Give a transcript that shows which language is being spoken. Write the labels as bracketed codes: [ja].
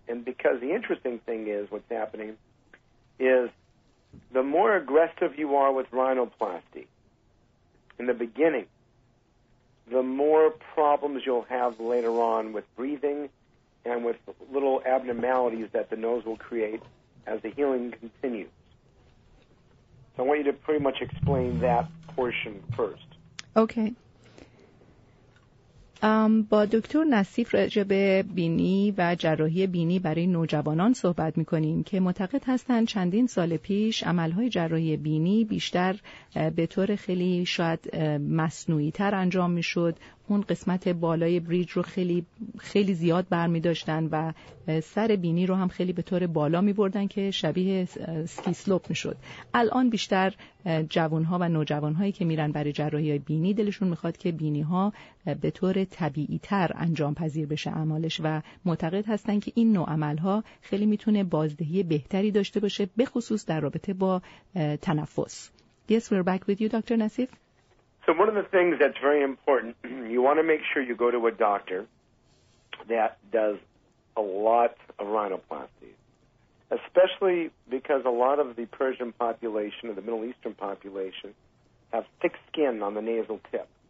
[en] And because the interesting thing is what's happening is the more aggressive you are with rhinoplasty in the beginning, the more problems you'll have later on with breathing and with little abnormalities that the nose will create as the healing continues. So I want you to pretty much explain that portion first. Okay. [fa] با دکتر نصیف راجع به بینی و جراحی بینی برای نوجوانان صحبت می‌کنیم که معتقد هستند چندین سال پیش عمل‌های جراحی بینی بیشتر به طور خیلی شاید مصنوعی‌تر انجام می‌شد، اون قسمت بالای بریج رو خیلی خیلی زیاد برمی‌داشتن و سر بینی رو هم خیلی به طور بالا می‌بردن که شبیه سکی سلوپ می‌شد. الان بیشتر جوان‌ها و نوجوان‌هایی که میرن برای جراحی بینی دلشون می‌خواد که بینی‌ها به طور طبیعی‌تر انجام پذیر بشه عملش و معتقد هستن که این نوع عمل‌ها خیلی می‌تونه بازدهی بهتری داشته باشه به خصوص در رابطه با تنفس. [en] Yes, we're back with you, Dr. Nassif. So one of the things that's very important, you want to make sure you go to a doctor that does a lot of rhinoplasty, especially because a lot of the Persian population or the Middle Eastern population have thick skin on the nasal tip.